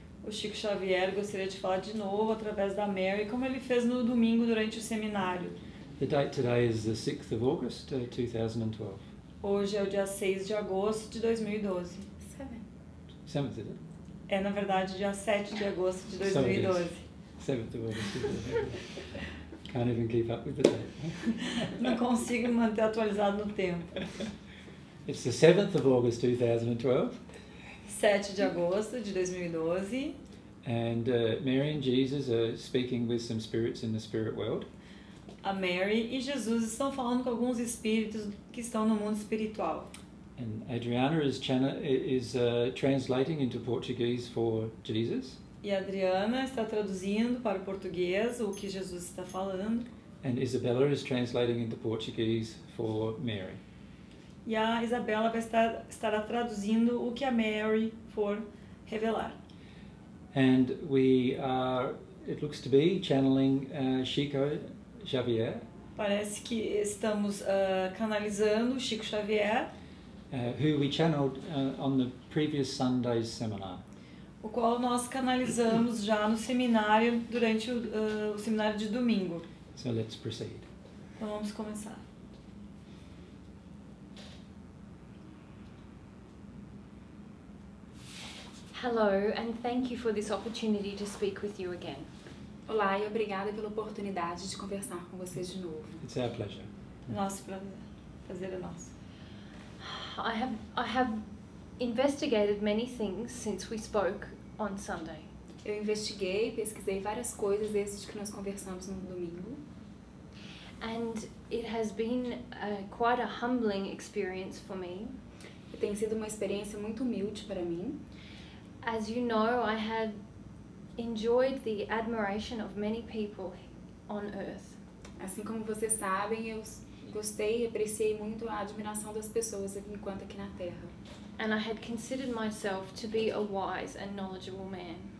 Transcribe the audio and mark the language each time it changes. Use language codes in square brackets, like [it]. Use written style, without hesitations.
[pt] O Chico Xavier gostaria de falar de novo através da Mary, como ele fez no domingo durante o seminário. [en] The date today is the 6th of August, 2012. [pt] Hoje é o dia 6 de agosto de 2012. [en] 7th, is it? [pt] É, na verdade, dia 7 de agosto de 2012. [en] 7th of August. Can't even keep up with the date. [pt] Não consigo me manter atualizado no tempo. [en] It's the 7th of August, 2012. [pt] 7 de agosto de 2012. [en] And Mary and Jesus are speaking with some spirits in the spirit world. [pt] A Mary e Jesus estão falando com alguns espíritos que estão no mundo espiritual. [en] And Adriana is translating into Portuguese for Jesus. [pt] E Adriana está traduzindo para o português o que Jesus está falando. [en] And Isabella is translating into Portuguese for Mary. [pt] E a Isabella estará traduzindo o que a Mary for revelar. [en] And we are, it looks to be, channeling Chico Xavier. [pt] Parece que estamos canalizando Chico Xavier. [en] Who we channeled on the previous Sunday's seminar. [pt] O qual nós canalizamos já no seminário, durante o seminário de domingo. [en] So let's proceed. [pt] Então vamos começar. [en] Hello, and thank you for this opportunity to speak with you again. [pt] Olá, e obrigada pela oportunidade de conversar com vocês de novo. [en] It's our pleasure. [pt] Nosso prazer é nosso. [en] I have investigated many things since we spoke on Sunday. [pt] Eu investiguei, pesquisei várias coisas desde que nós conversamos no domingo. [en] And it has been quite a humbling experience for me. [pt] E tem sido uma experiência muito humilde para mim. [en] As you know, I have enjoyed the admiration of many people on earth. [pt] Assim como vocês sabem, eu gostei e apreciei muito a admiração das pessoas enquanto aqui na Terra. [en] And I had considered myself to be a wise and knowledgeable man.